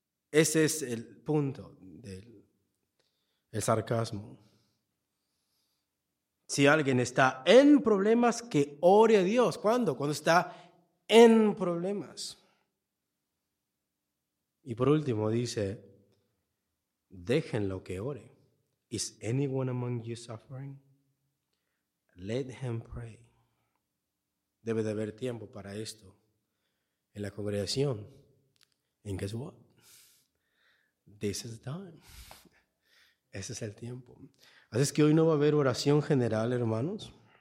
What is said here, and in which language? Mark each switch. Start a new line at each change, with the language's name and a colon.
Spanish: Ese es el punto del sarcasmo. Si alguien está en problemas, que ore a Dios. ¿Cuándo? Cuando está en problemas. Y por último dice, déjenlo que ore.
English: Is anyone among you suffering? Let him pray.
Spanish: Debe de haber tiempo para esto en la congregación.
English: And guess what? This is the time.
Spanish: Ese es el tiempo. Así es que hoy no va a haber oración general, hermanos.